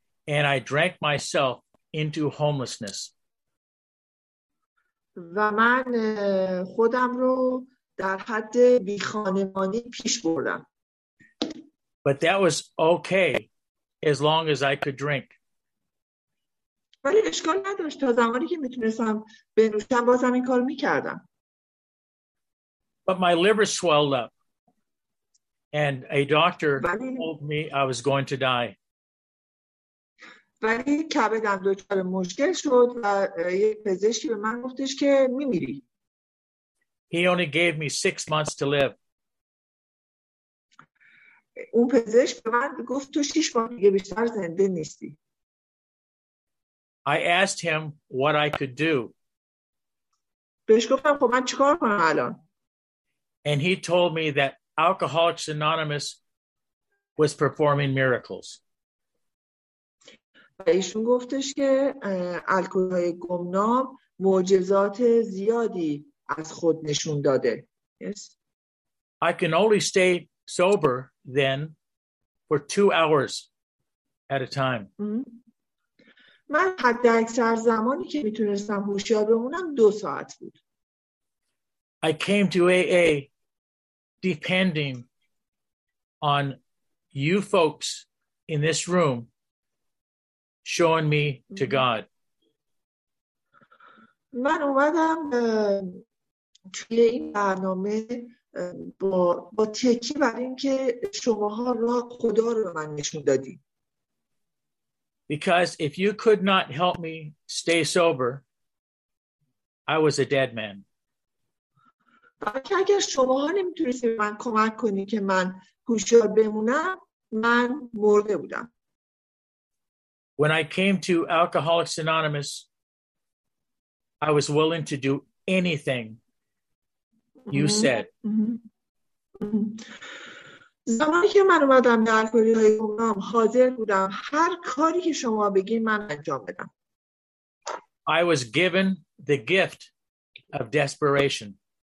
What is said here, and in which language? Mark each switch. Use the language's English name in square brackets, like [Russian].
[English] And I drank myself into homelessness. [Persian] و من خودم رو در حد بی خانمانی پیش بردم. [English] But that was okay as long as I could drink. [Persian] ولی اشکال نداشت تا زمانی که میتونستم بنوشم بازم این کار میکردم. [English] But my liver swelled up and a doctor told me I was going to die. [Persian] ولی کبدم دچار مشکل شد و یه پزشکی به من گفتش که میمیری. [English] He only gave me 6 months to live. [Persian] اون پزشک به من گفت تو 6 ماه دیگه بیشتر زنده نیستی. [English] I asked him what I could do. [Persian] بهش گفتم خب من چیکار کنم الان؟ [English] And he told me that Alcoholics Anonymous was performing miracles. [Persian] ایشون گفتش که الکل‌های گمنام معجزات زیادی از خود نشون داده. [English] Yes. I can only stay sober then for 2 hours at a time. [Persian] من حد اکثر زمانی که میتونستم هوشیار بمونم 2 ساعت بود. [English] I came to AA depending on you folks in this room showing me to God. [Persian] من اومدم توی این برنامه با تکیه بر این که شماها راه خدا رو من نشون دادید. [English] Because if you could not help me stay sober, I was a dead man. [Persian] اگر شما ها نمیتونستید به من کمک کنید که من هوشیار بمونم، من مرده بودم. [English] When I came to Alcoholics Anonymous, I was willing to do anything you said. [Persian] زمانی که من اومدم به الکلی‌های گمنام حاضر بودم هر کاری که شما بگین من انجام بدم. [English] I was given the gift of desperation.